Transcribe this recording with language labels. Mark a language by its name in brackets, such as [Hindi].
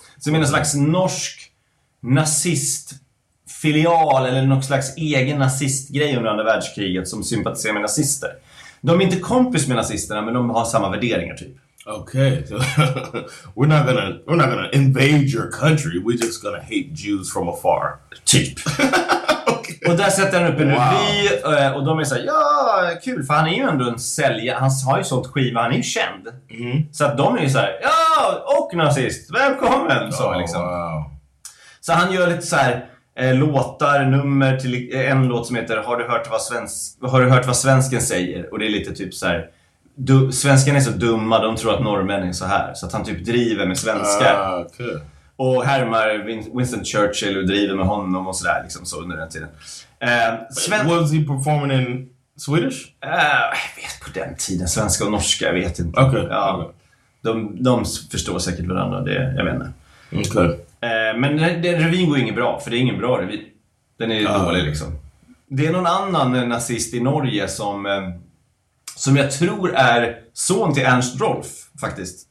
[Swedish] Som är någon slags norsk nazistfilial eller någon slags egen nazistgrej under andra världskriget som sympatiserar med nazister. De är inte kompis med nazisterna, men de har samma värderingar typ. Okej, okay. [English] we're not gonna invade your country, we're just gonna hate Jews from afar. [Swedish] Typ. Och där sätter han upp en revy. Och de är såhär, ja kul, för han är ju ändå en säljare. Han har ju sålt skiva, han är ju känd. Mm. Så att de är ju såhär, ja, och nazist, välkommen. Så, liksom. [English] Wow. [Swedish] Så han gör lite såhär låtar, nummer till en låt som heter Har du hört vad svensken säger? Och det är lite typ såhär, svenskarna är så dumma, de tror att norrmän är så här. Så att han typ driver med svenskar. Ja, kul. Och härmar Winston Churchill och driver med honom och sådär liksom, så under den tiden. [English] Was he performing in Swedish? [Swedish] Jag vet, på den tiden, svenska och norska, jag vet inte. [English] Okay. [Swedish] Ja, de förstår säkert varandra, det, jag vet inte. [English] Okay. [Swedish] Men revyn går ingen bra, för det är ingen bra revy. Den är dålig liksom. Det är någon annan nazist i Norge som jag tror är son till Ernst Rolf faktiskt.